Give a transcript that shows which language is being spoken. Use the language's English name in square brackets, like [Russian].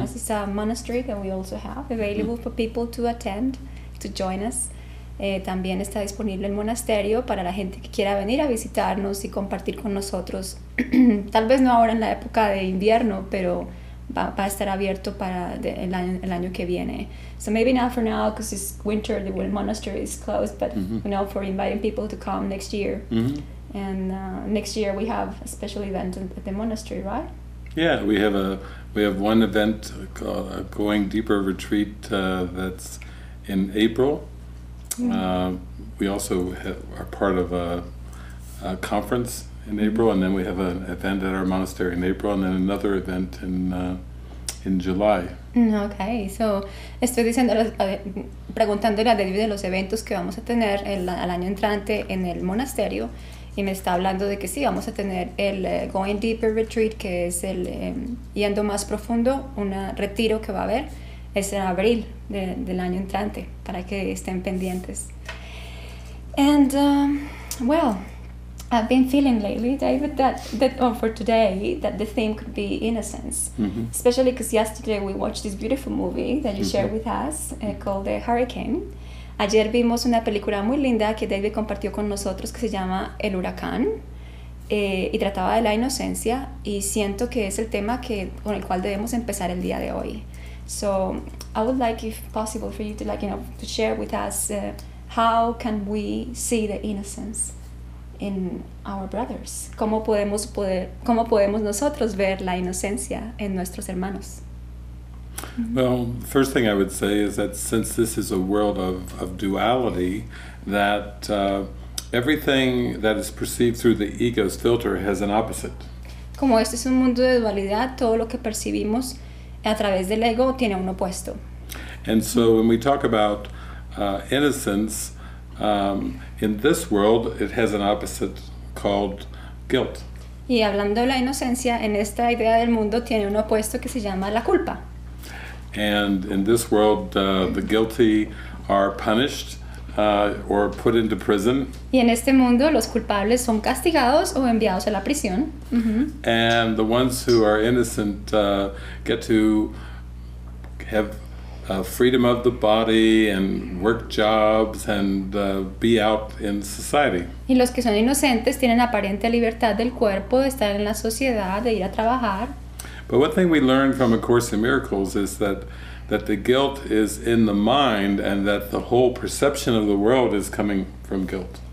[English] This is a monastery that we also have available mm-hmm. for people to attend, to join us. [Spanish] También está disponible el monasterio para la gente que quiera venir a visitarnos y compartir con nosotros. Tal vez no ahora en la época de invierno, pero va a estar abierto para el año que viene. [English] So maybe not for now, because it's winter, the monastery is closed, but mm-hmm. you know, for inviting people to come next year. Mm-hmm. And next year we have a special event at the monastery, right? Yeah, we have one event called a Going Deeper Retreat that's in April. We also are part of a conference in April, and then we have an event at our monastery in April, and then another event in July. Okay, so [Spanish] estoy diciendo, preguntándole a David de los eventos que vamos a tener el año entrante en el monasterio, y me está hablando de que sí, vamos a tener el Going Deeper Retreat, que es el yendo más profundo, un retiro que va a haber. Es en abril del año entrante, para que estén pendientes. [English] And, well, I've been feeling lately, David, that the theme could be innocence. Mm-hmm. Especially because yesterday we watched this beautiful movie that you mm-hmm. shared with us called The Hurricane. [Spanish] Ayer vimos una película muy linda que David compartió con nosotros que se llama El Huracán. Y trataba de la inocencia y siento que es el tema con el cual debemos empezar el día de hoy. [English] So I would like, if possible, for you to like, you know, to share with us how can we see the innocence in our brothers? [Spanish] ¿Cómo podemos nosotros ver la inocencia en nuestros hermanos? Mm-hmm. [English] Well, first thing I would say is that since this is a world of duality, that everything that is perceived through the ego's filter has an opposite. [Spanish] Como este es un mundo de dualidad, todo lo que percibimos a través del ego tiene un opuesto. [English] And so when we talk about innocence, in this world it has an opposite called guilt. [Spanish] Y hablando de la inocencia, en esta idea del mundo tiene un opuesto que se llama la culpa. [English] And in this world the guilty are punished or put into prison. [Spanish] Y en este mundo los culpables son castigados o enviados a la prisión. Mm-hmm. [English] And the ones who are innocent get to have freedom of the body and work jobs and be out in society. [Spanish] Y los que son inocentes tienen aparente libertad del cuerpo, de estar en la sociedad, de ir a trabajar. [English] But one thing we learned from A Course in Miracles is that the guilt is in the mind and that the whole perception of the world is coming from guilt.